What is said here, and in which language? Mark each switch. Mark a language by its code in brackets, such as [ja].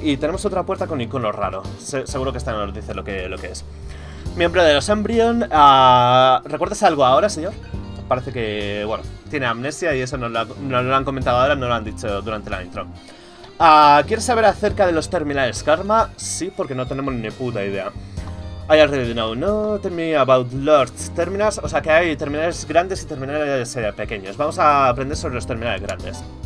[es] Y tenemos otra puerta con icono raro. Seguro que esta nos dice lo que es. Miembro de los Embryon, ¿recuerdas algo ahora, señor? Parece que, bueno, tiene amnesia y eso no lo han comentado ahora, no lo han dicho durante la intro. ¿Quieres saber acerca de los terminales Karma? Sí, porque no tenemos ni puta idea. [en] I already know, no, tell me about large terminals. [es] O sea que hay terminales grandes y terminales pequeños. Vamos a aprender sobre los terminales grandes.